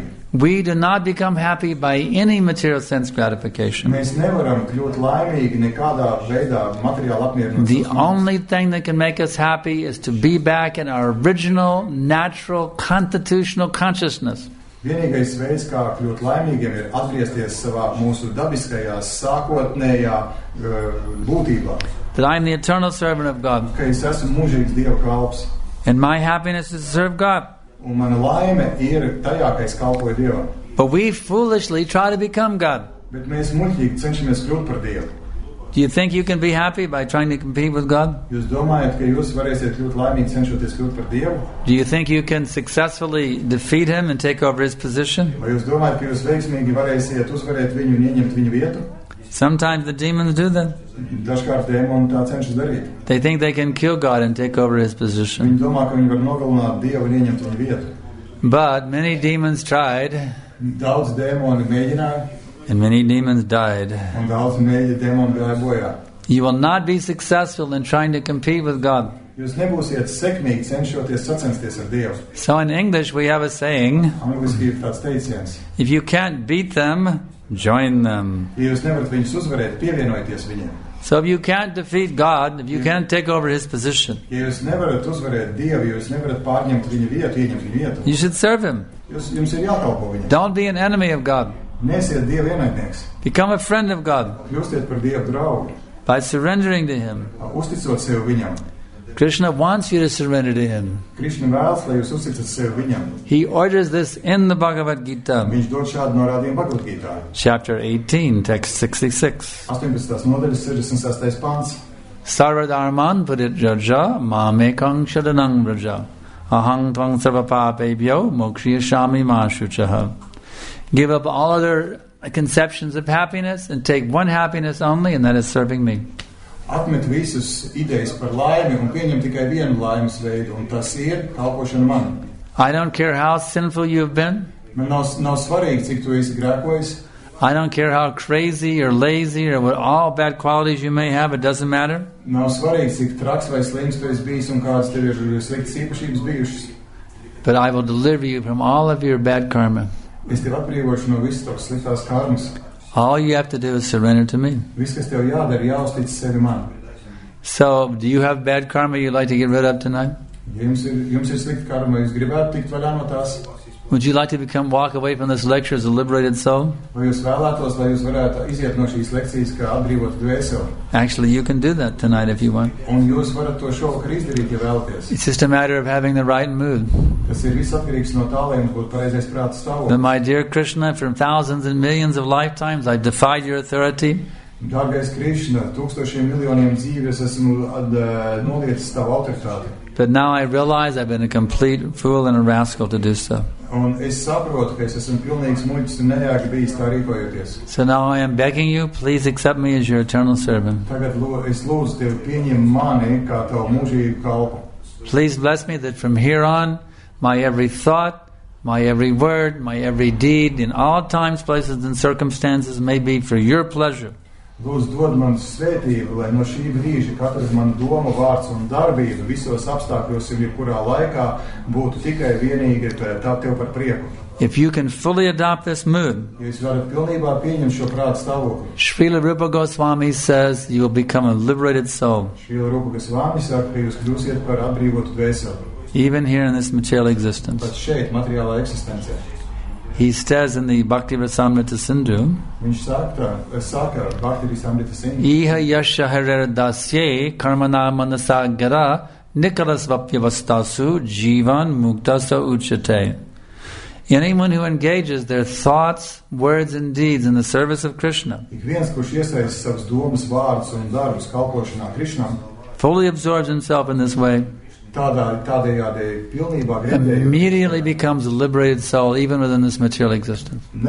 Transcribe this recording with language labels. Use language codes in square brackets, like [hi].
[en] We do not become happy by any material sense gratification. The only thing that can make us happy is to be back in our original, natural, constitutional consciousness. [lv] Vienīgais veids, kā kļūt laimīgiem, ir atgriezties savā mūsu dabiskajā, sākotnējā būtībā. [en] that I am the eternal servant of God. [lv] Ka es esmu mūžīgs Dieva kalps. [en] And my happiness is to serve God. [lv] Un mana laime ir tajā, ka es kalpoju Dievam. [en] But we foolishly try to become God. [lv] Bet mēs muļķīgi cenšamies kļūt par Dievu. [en] Do you think you can be happy by trying to compete with God? [lv] Jūs domājat, ka jūs varēsiet ļoti laimīgi cenšoties kļūt par Dievu? [en] Do you think you can successfully defeat him and take over his position? [lv] Vai jūs domājat, ka jūs veiksmīgi varēsiet uzvarēt viņu un ieņemt viņu vietu? [en] Sometimes the demons do that. [lv] Dažkārt dēmoni tā cenšas darīt. [en] They think they can kill God and take over his position. [lv] Viņi domā, ka viņi var nogalināt Dievu un ieņemt viņu vietu. [en] But many demons tried. [lv] Daudz dēmoni mēģināja. [en] And many demons died. [lv] Un daudz dēmoni bojā. [en] You will not be successful in trying to compete with God. [lv] Jūs nebūsiet sekmīgi cenšoties sacensties ar Dievu. [en] So in English we have a saying. [lv] Angliski ir tāds teiciens. [en] If you can't beat them, join them. [lv] Ja jūs nevarat viņus uzvarēt, pievienojieties viņiem. [en] So if you can't defeat God, if you can't take over his position, [lv] ja jūs nevarat uzvarēt Dievu, jūs nevarat pārņemt viņu vietu, ieņemt viņu vietu. [en] You should serve him. [lv] Jums ir jākalpo viņam. [en] Don't be an enemy of God. [lv] Nesiet Dieva ienaidnieks. [en] Become a friend of God. [lv] Kļūstiet par Dieva draugu. [en] By surrendering to him. [lv] Uzticot sevi viņam. [en] Krishna wants you to surrender to him. [lv] Krishna vēlas, lai jūs uzticat sevi viņam. [en] He orders this in the Bhagavad Gita. [lv] Viņš dod šādu norādījumu Bhagavad Gita. [en] Chapter 18, text 66. [lv] 18. Nodaļas 66. Pants. [sa] Sarva dharman puritraja mamekam sharanam vraja. Aham tvam sarva papebhyo mokshayami ma shuchah. [en] Give up all other conceptions of happiness and take one happiness only, and that is serving me. [lv] Atmet visus idejas par laimi un pieņem tikai vienu laimes veidu, un tas ir kalpošana man. [en] I don't care how sinful you've been. [lv] Man nav svarīgi, cik tu esi grēkojis. [en] I don't care how crazy or lazy or what all bad qualities you may have, it doesn't matter. [lv] Nav svarīgi, cik traks vai slims tu esi bijis un kādas tev ir sliktas īpašības bijušas. [en] But I will deliver you from all of your bad karma. [lv] Es tev atbrīvošu no visas tavas sliktās karmas. [en] All you have to do is surrender to me. [lv] Viss, kas tev jādara, jāuztic sevi man. [en] So, do you have bad karma you'd like to get rid of tonight? [lv] Jums ir slikta karma, jūs gribētu tikt vaļā no tās? [en] Would you like to become walk away from this lecture as a liberated soul? [lv] Vai jūs vēlētos, lai jūs varētu iziet no šīs lekcijas kā atbrīvot dvēseli? [en] Actually, you can do that tonight if you want. [lv] Un jūs varat to šovakar izdarīt, ja vēlaties. [en] It's just a matter of having the right mood. [lv] Tas ir viss atkarīgs no tā, lai jums būtu pareizais prāta stāvoklis. [en] Then, my dear Krishna, from thousands and millions of lifetimes, I defied your authority. [lv] Dārgais Krishna, tūkstošiem miljoniem dzīves esmu noliecis tavu autoritāti. [en] But now I realize I've been a complete fool and a rascal to do so. [lv] Un es saprotu, ka es esmu pilnīgs muļķis un neļāgi bijis tā rīkojoties. [en] So now I am begging you, please accept me as your eternal servant. [lv] Tagad es lūdzu tevi pieņem mani kā tavu mūžīgu kalpu. [en] Please bless me that from here on, my every thought, my every word, my every deed, in all times, places and circumstances may be for your pleasure. [lv] Lūdzu, dod man svētību, lai no šī brīža katrs man doma, vārds un darbība visos apstākļos un jebkurā laikā būtu tikai vienīgi tā tev par prieku. [en] If you can fully adopt this mood, [lv] ja jūs varat pilnībā pieņemt šo prāta stāvokli, [en] Srila Rupa Goswami says you will become a liberated soul. [lv] Srila Rupa Goswami saka, ka jūs kļūsiet par atbrīvotu dvēseli. [en] Even here in this material existence. [lv] Pat šeit, materiālā eksistencē. [en] He says in the Bhakti Rasamrita Sindhu, [lv] Viņš saka Bhakti Rasamrita Sindhu, [sa] Iha yasya harer dasye karmana manasa gara nikalas vapyavastasu jivan muktasa uchate. [en] Anyone who engages their thoughts, words and deeds in the service of Krishna, [lv] Ik viens, kurš iesaist savas domas, vārdus un darbus kalpošanā Krishna, [en] fully absorbs himself in this way, immediately becomes a liberated soul even within this material existence.